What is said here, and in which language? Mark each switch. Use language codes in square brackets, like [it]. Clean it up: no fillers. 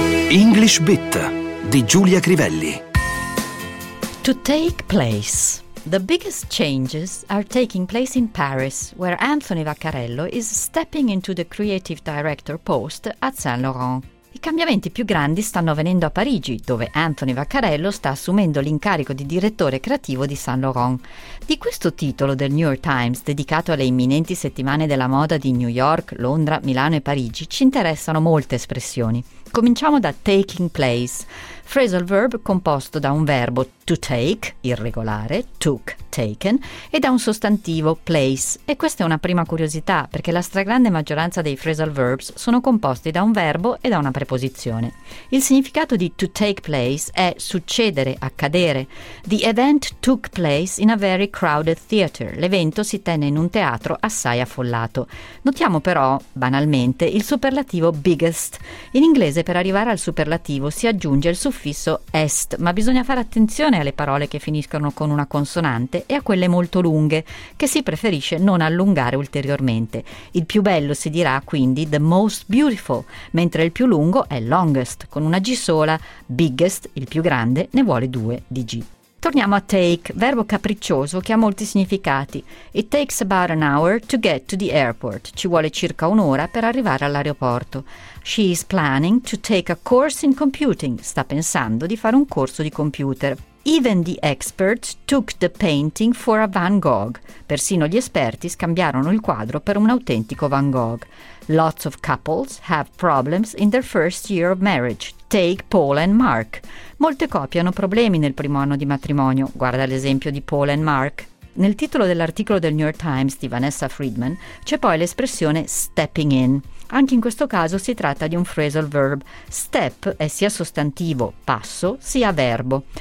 [it] English Bit di Giulia Crivelli. [en] To take place. The biggest changes are taking place in Paris, where Anthony Vaccarello is stepping into the creative director post at Saint Laurent. [it] I cambiamenti più grandi stanno avvenendo a Parigi, dove Anthony Vaccarello sta assumendo l'incarico di direttore creativo di Saint Laurent. Di questo titolo del New York Times, dedicato alle imminenti settimane della moda di New York, Londra, Milano e Parigi, ci interessano molte espressioni. Cominciamo da taking place, phrasal verb composto da un verbo to take, irregolare, took, taken, e da un sostantivo place. E questa è una prima curiosità, perché la stragrande maggioranza dei phrasal verbs sono composti da un verbo e da una preposizione. Il significato di to take place è succedere, accadere. [en] The event took place in a very crowded theater. [it] L'evento si tenne in un teatro assai affollato. Notiamo però, banalmente, il superlativo biggest. In inglese per arrivare al superlativo si aggiunge il suffisso est, ma bisogna fare attenzione alle parole che finiscono con una consonante e a quelle molto lunghe, che si preferisce non allungare ulteriormente. Il più bello si dirà quindi [en] the most beautiful, [it] mentre il più lungo è longest, con una G sola. Biggest, il più grande, ne vuole due di G. Torniamo a take, verbo capriccioso che ha molti significati. [en] It takes about an hour to get to the airport. [it] Ci vuole circa un'ora per arrivare all'aeroporto. [en] She is planning to take a course in computing. [it] Sta pensando di fare un corso di computer. [en] Even the experts took the painting for a Van Gogh. [it] Persino gli esperti scambiarono il quadro per un autentico Van Gogh. [en] Lots of couples have problems in their first year of marriage. Take Paul and Mark. [it] Molte coppie hanno problemi nel primo anno di matrimonio. Guarda l'esempio di Paul and Mark. Nel titolo dell'articolo del New York Times di Vanessa Friedman c'è poi l'espressione stepping in. Anche in questo caso si tratta di un phrasal verb. Step è sia sostantivo, passo, sia verbo.